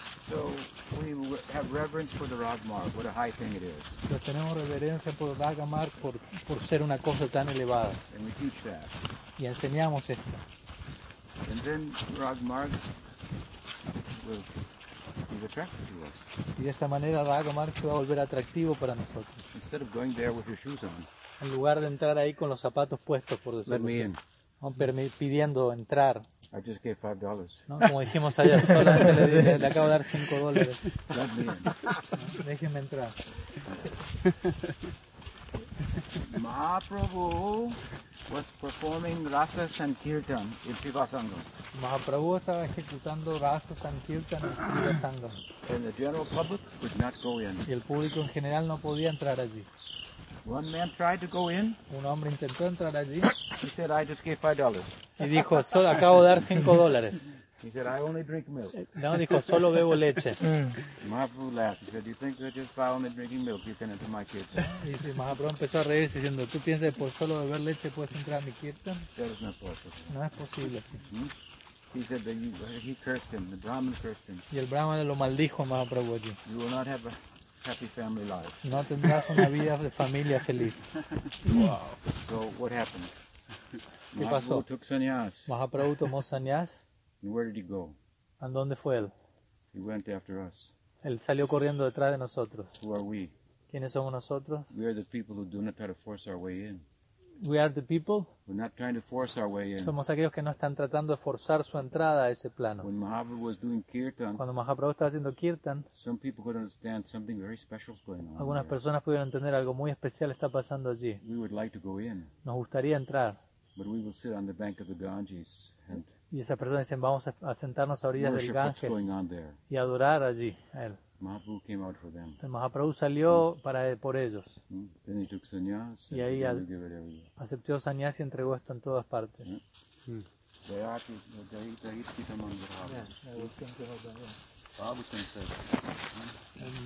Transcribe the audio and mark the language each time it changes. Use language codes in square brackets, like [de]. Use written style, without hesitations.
[en] So we have reverence for the Raga Marg, what a high thing it is. [es] Pues tenemos reverencia por Raga Marg por ser una cosa tan elevada. [en] And we teach that. [es] Y enseñamos esto. [en] And then Raga Marg will be attractive to us. [es] Y de esta manera Raga Marg se va a volver atractivo para nosotros. [en] Instead of going there with your shoes on. [es] En lugar de entrar ahí con los zapatos puestos, por decirlo. [en] Let me in. [es] Pidiendo entrar. [en] I just gave $5. [es] No, como dijimos ayer, solamente le acabo de dar $5. [en] Let me in. No, [es] déjenme entrar. [en] Mahaprabhu was performing Rasa Sankirtan in Shiva Sangam. [es] Mahaprabhu estaba ejecutando Rasa Sankirtan en Shiva Sangam. [en] And the general public could not go in. [es] Y el público en general no podía entrar allí. [en] One man tried to go in. [es] Un hombre intentó entrar allí. [en] He said, I just gave $5. [es] Y dijo, solo acabo de dar $5. [en] He said, I only drink milk. [es] No, dijo, solo bebo leche. [en] Mahaprabhu laughed. He said, do you think that just by only drinking milk you can enter my kirtan? [es] Y dice, Mahaprabhu empezó a reírse diciendo, ¿tú piensas que por solo beber leche puedes entrar a mi kirtan? [en] That is not possible. [es] No es posible. [en] He said that he cursed him. The Brahman cursed him. [es] Y el Brahman lo maldijo a Mahaprabhu allí. [en] You will not have a happy family life. [es] No tendrás una vida de familia feliz. [en] Wow. So what happened? [es] ¿Qué pasó? [en] Mahaprabhu took sannyas. [es] Mahaprabhu tomó sannyas. [en] And where did he go? ¿And [es] dónde fue él? [en] He went after us. [es] Él salió corriendo detrás de nosotros. [en] Who are we? [es] ¿Quiénes somos nosotros? [en] We are the people who do not try to force our way in. We are the people. We're not trying to force our way in. [es] Somos aquellos que no están tratando de forzar su entrada a ese plano. [en] When Mahaprabhu was doing kirtan, [es] cuando Mahaprabhu estaba haciendo kirtan, [en] some people could understand something very special is going on. [es] Algunas personas pudieron entender algo muy especial está pasando allí. [en] We would like to go in. [es] Nos gustaría entrar. [en] But we will sit on the bank of the Ganges and [es] Y esa persona dice, vamos a sentarnos a orillas del Ganges y adorar allí a él. [en] Mahaprabhu came out for them. [es] El Mahaprabhu salió para por ellos. [en] Then he took sannyas, [es] y ahí aceptó sannyas y entregó esto en todas partes. El